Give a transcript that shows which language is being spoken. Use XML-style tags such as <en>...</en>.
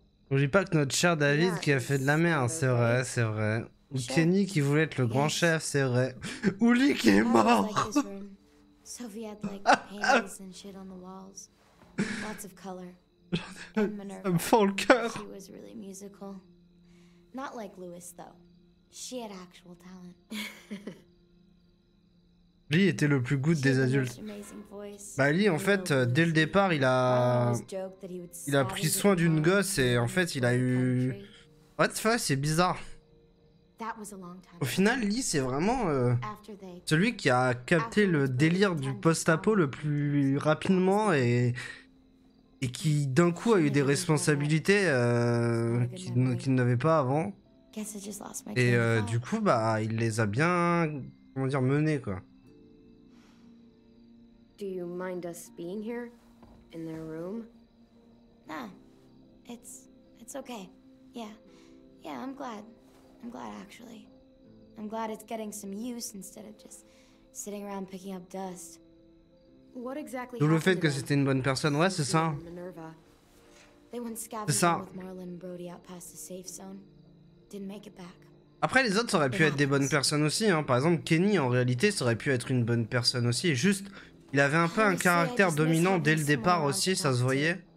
<fr>N'oublie pas que notre cher David qui a fait de la merde, c'est vrai, c'est vrai. Ou Kenny qui voulait être le grand chef, c'est vrai. Ou Lee qui est mort.</fr> <en>Sophie had, like, paintings and shit on the walls. Lots of color.</en> <fr>Ça me fend le cœur.</fr> <en>She was really musical. Not like Lewis, though. She had actual talent.</en> <fr>Lee était le plus good des adultes. Bah Lee, en fait, dès le départ, il a pris soin d'une gosse et en fait, il a eu...</fr> <en>What the fuck,</en> <fr>c'est bizarre. Au final, Lee, c'est vraiment celui qui a capté le délire du post-apo le plus rapidement et qui, d'un coup, a eu des responsabilités qu'il n'avait pas avant. Et du coup, bah, il les a bien, comment dire, menés, quoi.</fr> <en>Do you mind us being here, in their room? Nah, it's okay. Yeah, I'm glad. I'm glad, actually. I'm glad it's getting some use instead of just sitting around picking up dust. What exactly?</en> <fr>Le fait que c'était une bonne personne, ouais, c'est ça.</fr> <en>Minerva. They went scavenging with Marlin and Brody out past the safe zone. Didn't make it back.</en> <fr>Après, les autres auraient pu être des bonnes personnes aussi, hein. Par exemple, Kenny, en réalité, ça aurait pu être une bonne personne aussi, et juste. Il avait un peu un caractère dominant dès le départ aussi, ça se voyait.</fr>